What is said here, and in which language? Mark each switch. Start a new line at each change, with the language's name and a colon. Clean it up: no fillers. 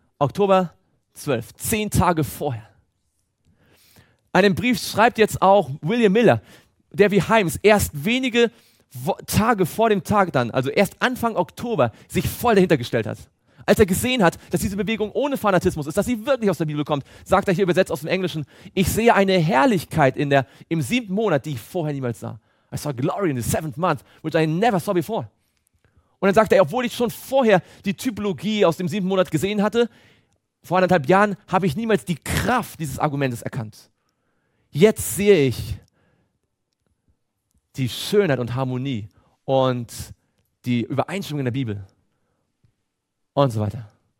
German: Oktober 12, 10 Tage vorher. Einen Brief schreibt jetzt auch William Miller, der wie Himes erst wenige Tage vor dem Tag dann, also erst Anfang Oktober, sich voll dahinter gestellt hat. Als er gesehen hat, dass diese Bewegung ohne Fanatismus ist, dass sie wirklich aus der Bibel kommt, sagt er hier übersetzt aus dem Englischen, ich sehe eine Herrlichkeit im siebten Monat, die ich vorher niemals sah.
English: I saw glory in the seventh month, which I never saw before.
German: Und dann sagt er, obwohl ich schon vorher die Typologie aus dem siebten Monat gesehen hatte, vor anderthalb Jahren, habe ich niemals die Kraft dieses Argumentes erkannt. Jetzt sehe ich die Schönheit und Harmonie und die Übereinstimmung in der Bibel. Und so weiter.